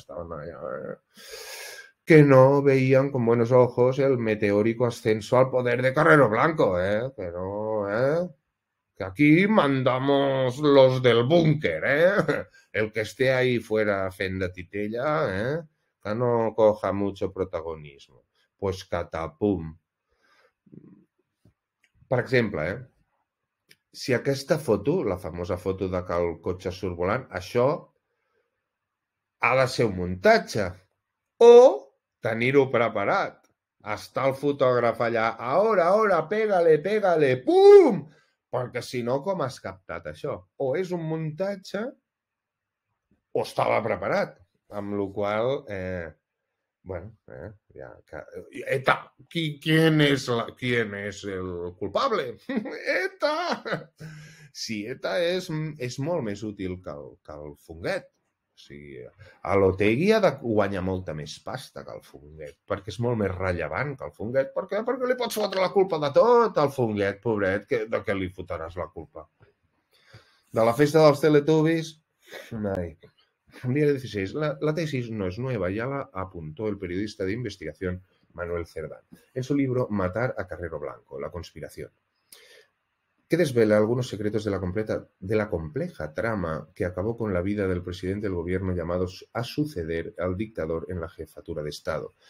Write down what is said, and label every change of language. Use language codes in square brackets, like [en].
[es] Estaban allá, que no veían con buenos ojos el meteórico ascenso al poder de Carrero Blanco, ¿eh? Pero, que aquí mandamos los del búnker, El que esté ahí fuera fenda titella, que no coja mucho protagonismo. Pues catapum. [ca] Per exemple, si aquesta foto, la famosa foto de que el cotxe surt volant, això ha de ser un muntatge. O tenir-ho preparat. Està el fotògraf allà, ara, [es] pégale, [ca] pum! Perquè si no, com has captat això? O és un muntatge o estava preparat. Amb la qual cosa, ja... ¡Eta! [es] ¿Quién es el culpable? ¡Eta! [ca] Sí, Eta és molt més útil que el Funguet. O sigui, a l'Otegi ha de guanyar molta més pasta que el Funguet, perquè és molt més rellevant que el Funguet. Per què? Perquè li pots fotre la culpa de tot al Funguet, pobret. De què li fotràs la culpa? De la festa dels Teletubbies? Ai. El dia 16, la tesis no és nova, ja la apuntó el periodista d'investigació [es] Manuel Cerdán en su libro Matar a Carrero Blanco, la conspiración, que desvela algunos secretos de la compleja trama que acabó con la vida del presidente del gobierno llamado a suceder al dictador en la jefatura de Estado.